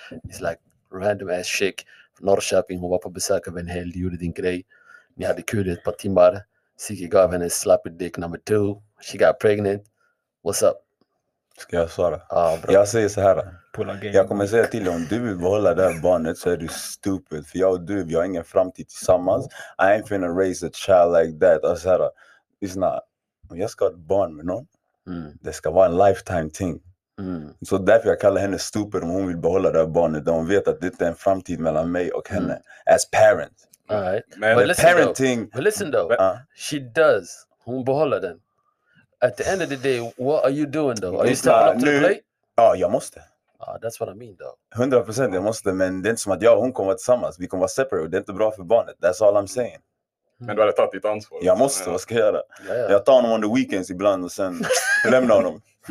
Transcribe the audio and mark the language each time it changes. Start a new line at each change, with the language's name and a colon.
English: It's like random ass chick,
Swedish: Norrköping, hon var på besök av en hel, du gjorde din grej. Ni hade kul ett par timmar.
English: Siki
Swedish: gav henne
English: slappy dick number two. She got pregnant. What's up?
Swedish: Ska jag svara? Ah, bra. Jag säger så här. Jag kommer säga till dig, om du vill behålla det här barnet så är du stupid. För jag och du, vi har ingen framtid tillsammans.
English: I ain't finna raise a child like that.
Swedish: Och så här,
English: it's not,
Swedish: om jag ska ha ett barn med någon. Mm. Det ska vara en lifetime thing. Mm. Så därför jag kallar henne stupid om hon vill behålla det här barnet. Hon vet att det är en framtid mellan mig och henne.
English: As parent. All right. But listen though. She does.
Swedish: Hon behåller den.
English: At the end of the day, what are you doing though? Are you stepping up to the plate?
Swedish: Ja, jag måste.
English: That's what I mean though.
Swedish: 100%, jag måste. Men det är inte som att jag och hon kommer tillsammans. Vi kommer vara separate. Det är inte bra för barnet.
English: That's all I'm saying.
Swedish: Men du hade tagit ditt ansvar. Jag måste, vad ska jag göra? Ja. Jag tar honom
English: on the weekends
Swedish: ibland och sen lämnar honom.